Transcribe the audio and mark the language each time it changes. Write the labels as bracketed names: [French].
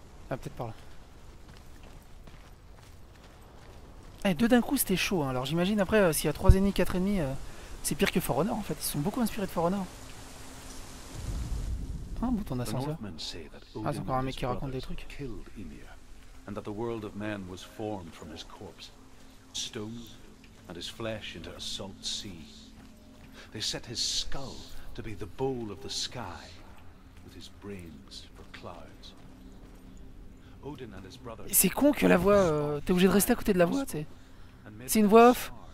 [French] Ah peut-être par là. Eh deux d'un coup c'était chaud hein. Alors j'imagine après s'il y a 3 ennemis, 4 ennemis c'est pire que For Honor en fait. Ils sont beaucoup inspirés de For Honor. Un bouton d'ascenseur. Ah c'est encore un mec qui raconte des trucs. [English] Ymir, and that the world of man was formed from his corpse. Stone and his flesh into a salt sea. They set his skull to be the bowl of the sky, with his brains for clouds. Odin and his brother. [French] C'est con que la voix. T'es obligé de rester à côté de la voix, t'sais. C'est une voix off.